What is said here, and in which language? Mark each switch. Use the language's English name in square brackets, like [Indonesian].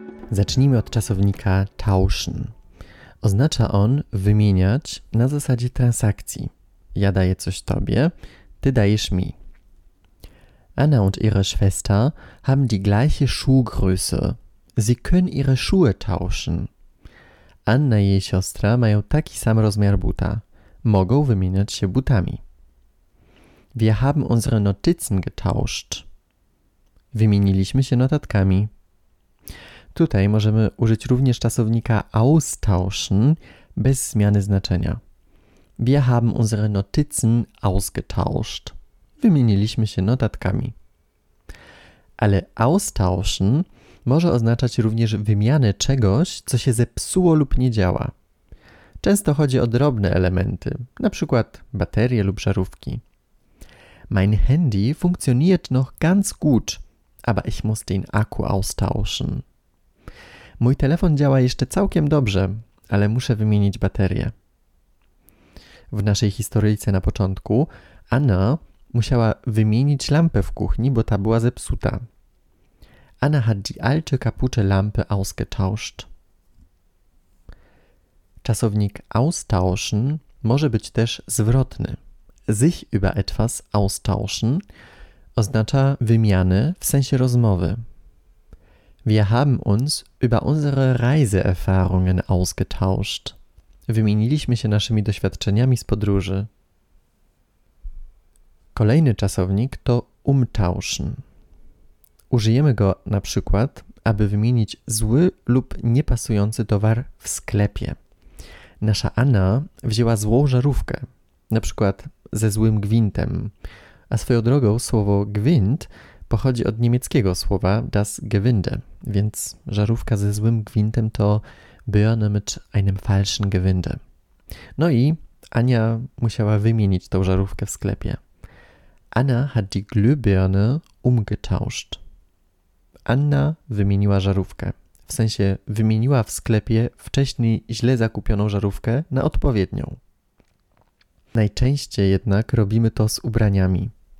[Polish] Zacznijmy od czasownika tauschen. Oznacza on wymieniać na zasadzie transakcji. Ja daję coś tobie, ty dajesz mi. [German] Anna und ihre Schwester haben die gleiche Schuhgröße. Sie können ihre Schuhe tauschen. [Polish] Anna i jej siostra mają taki sam rozmiar buta. Mogą wymieniać się butami. [German] Wir haben unsere Notizen getauscht. [Polish] Wymieniliśmy się notatkami. Tutaj możemy użyć również czasownika austauschen bez zmiany znaczenia. [German] Wir haben unsere Notizen ausgetauscht. [Polish] Wymieniliśmy się notatkami. Ale austauschen może oznaczać również wymianę czegoś, co się zepsuło lub nie działa. Często chodzi o drobne elementy, na przykład baterie lub żarówki. [German] Mein Handy funktioniert noch ganz gut, aber ich muss den Akku austauschen. [Polish] Mój telefon działa jeszcze całkiem dobrze, ale muszę wymienić baterię. W naszej historyjce na początku Anna musiała wymienić lampę w kuchni, bo ta była zepsuta. [German] Anna hat die alte kaputte Lampe ausgetauscht. [Polish] Czasownik austauschen może być też zwrotny. [German] Sich über etwas austauschen [Polish] oznacza wymianę w sensie rozmowy. [German] Wir haben uns über unsere Reiseerfahrungen ausgetauscht. [Polish] Wymieniliśmy się naszymi doświadczeniami z podróży. Kolejny czasownik to umtauschen. Użyjemy go na przykład, aby wymienić zły lub niepasujący towar w sklepie. Nasza Anna wzięła złą żarówkę, na przykład ze złym gwintem, a swoją drogą słowo gwint pochodzi od niemieckiego słowa [German] das Gewinde, [Polish] więc żarówka ze złym gwintem to [German] Birne mit einem falschen Gewinde. [Polish] No i Ania musiała wymienić tą żarówkę w sklepie. [German] Anna hat die Glühbirne umgetauscht. [Polish] Anna wymieniła żarówkę, w sensie wymieniła w sklepie wcześniej źle zakupioną żarówkę na odpowiednią. Najczęściej jednak robimy to z ubraniami.